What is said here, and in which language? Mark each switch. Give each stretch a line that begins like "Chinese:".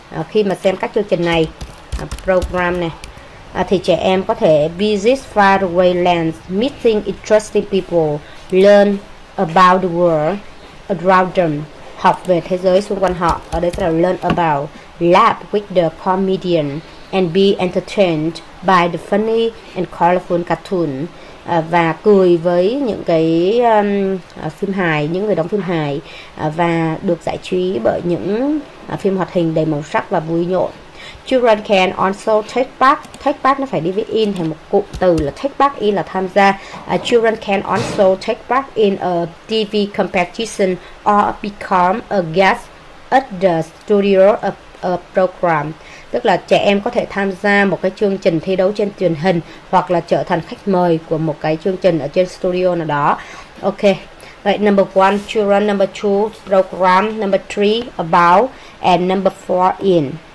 Vietnamese: Khi mà xem các chương trình này, program này, thì trẻ em có thể
English: visit faraway lands, meeting interesting people, learn about the world around them,
Vietnamese: học về thế giới xung quanh họ. Ở đây sẽ là
English: learn about, laugh with the comedian and be entertained by the funny and colorful cartoon.
Vietnamese: Và cười với những cái phim hài, những người đóng phim hài, và được giải trí bởi những phim hoạt hình đầy màu sắc và vui nhộn.
English: Children can also take part.
Vietnamese: Take part nó phải đi với in thành một cụm từ là take part, in là tham gia.
English: Children can also take part in a TV competition or become a guest at the studio of a program.
Vietnamese: Tức là trẻ em có thể tham gia một cái chương trình thi đấu trên truyền hình hoặc là trở thành khách mời của một cái chương trình ở trên studio nào đó.
English: Ok.
Vietnamese: Vậy
English: number 1 children, number 2 program, number 3 about and number 4 in.